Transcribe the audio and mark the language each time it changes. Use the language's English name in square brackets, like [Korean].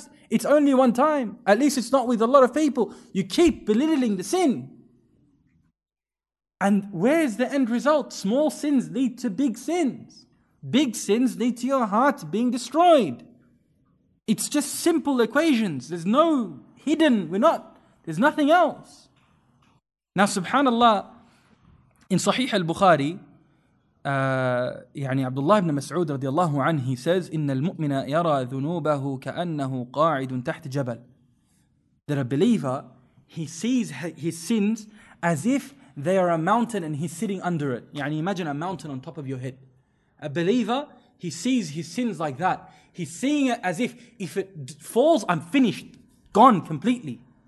[English] It's only one time. At least it's not with a lot of people. You keep belittling the sin. And where's the end result? Small sins lead to big sins. Big sins lead to your heart being destroyed. It's just simple equations. There's no hidden. There's nothing else. Now, subhanAllah, in Sahih al-Bukhari, [Arabic] يعني عبد الله بن مسعود رضي الله عنه, [English] he says, [Arabic] إن المؤمن يرى ذنوبه كأنه قاعد تحت جبل. [English] That a believer, he sees his sins as if they are a mountain and he's sitting under it. يعني imagine a mountain on top of your head. A believer, he sees his sins like that. He's seeing it as if it falls, I'm finished, gone completely.